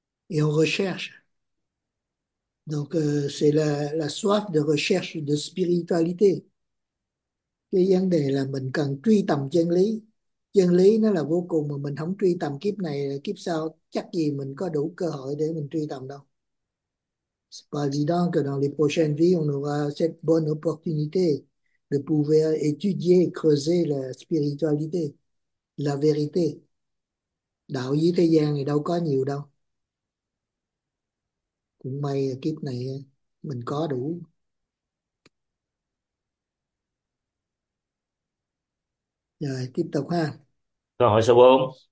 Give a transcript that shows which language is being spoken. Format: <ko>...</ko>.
<fr>Et on recherche. Donc, c'est la soif de recherche de spiritualité.</fr> <vi>Cái vấn đề là mình cần truy tầm chân lý. Chân lý nó là vô cùng mà mình không truy tầm kiếp này, kiếp sau chắc gì mình có đủ cơ hội để mình truy tầm đâu.</vi> <fr>C'est pas évident que dans les prochaines vies, on aura cette bonne opportunité de pouvoir étudier, creuser la spiritualité, la vérité.</fr> <vi>Đạo với thế gian thì đâu có nhiều đâu. Cũng may kiếp này mình có đủ. Rồi, tiếp tục ha. Câu hỏi số 4.</vi>